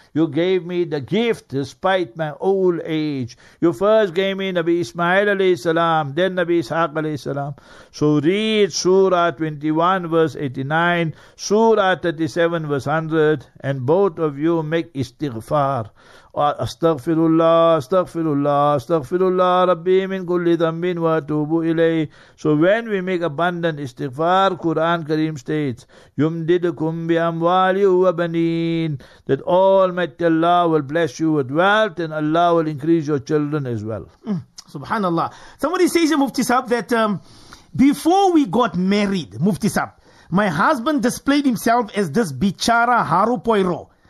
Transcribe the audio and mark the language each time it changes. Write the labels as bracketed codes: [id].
[en] You gave me the gift despite my old age. You first gave me Nabi Ismail alayhi salam, then Nabi Ishaq alayhi salam. So read Surah 21 verse 89, Surah 37 verse 100, and both of you make istighfar. [ar] أستغفر الله أستغفر الله أستغفر الله ربي من كل ذنب وأتوب إليه. [en] So when we make abundant istighfar, Quran Kareem states, [ar] يُمْدِدْكُمْ بِأَمْوَالِهُ وَبَنِينَ, [en] that Almighty Allah will bless you with wealth and Allah will increase your children as well. Subhanallah. Somebody says, Mufti Sahab, that before we got married, Mufti Sahab, my husband displayed himself as this bichara haru poiro.